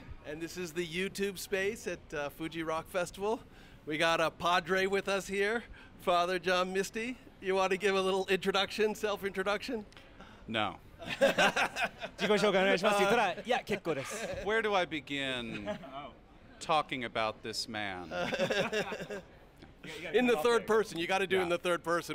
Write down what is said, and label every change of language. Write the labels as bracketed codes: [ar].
[en] And this is the YouTube space at Fuji Rock Festival. We got a padre with us here, Father John Misty. You want to give a little introduction, self-introduction? No. [ja] 自己紹介お願いします。言ったら、いや、結構です。 [en] Where do I begin talking about this man? In the third person. You got to do in the third person,